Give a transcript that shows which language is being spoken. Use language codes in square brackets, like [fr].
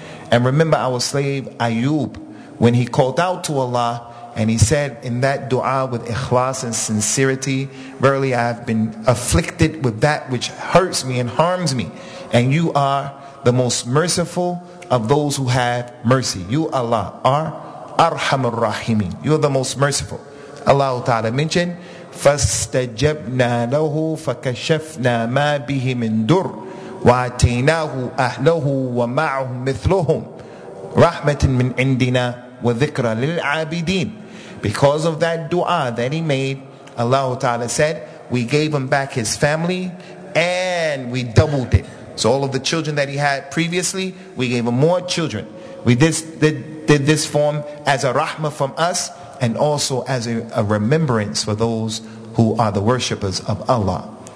[en] And remember our slave Ayub, when he called out to Allah, and he said in that dua with ikhlas and sincerity, verily I have been afflicted with that which hurts me and harms me. And you are the most merciful of those who have mercy. You, Allah, are Arhamur Rahimin. You are the most merciful. [ar] Allah Ta'ala mentioned, فَاسْتَجَبْنَا لَهُ فَكَشَفْنَا مَا بِهِ مِنْ دُرُ وَعَتَيْنَاهُ أَهْلَهُ وَمَعْهُمْ مِثْلُهُمْ رَحْمَةٍ مِنْ عِنْدِنَا وَذِكْرَ لِلْعَابِدِينَ. [en] Because of that dua that he made, Allah Ta'ala said, we gave him back his family and we doubled it. So all of the children that he had previously, we gave him more children. We did this form as a rahmah from us and also as a remembrance for those who are the worshippers of Allah.